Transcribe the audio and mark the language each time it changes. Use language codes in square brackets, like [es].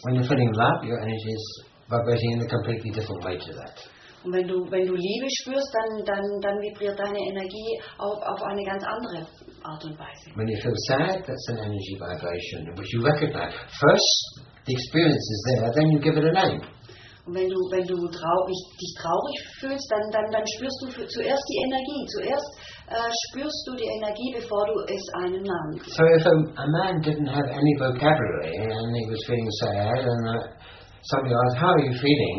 [en] When you're feeling love, your energy is vibrating in a completely different way to that. [de] Und wenn du Liebe spürst, dann vibriert deine Energie auf eine ganz andere Art und Weise. [en] When you feel sad, that's an energy vibration which you recognize. First, the experience is there, then you give it a name. [de] Und wenn du dich traurig fühlst, dann spürst du zuerst die Energie. Zuerst spürst du die Energie, bevor du es einem Namen gibst. [en] So if a man didn't have any vocabulary and he was feeling sad and somebody asked, how are you feeling?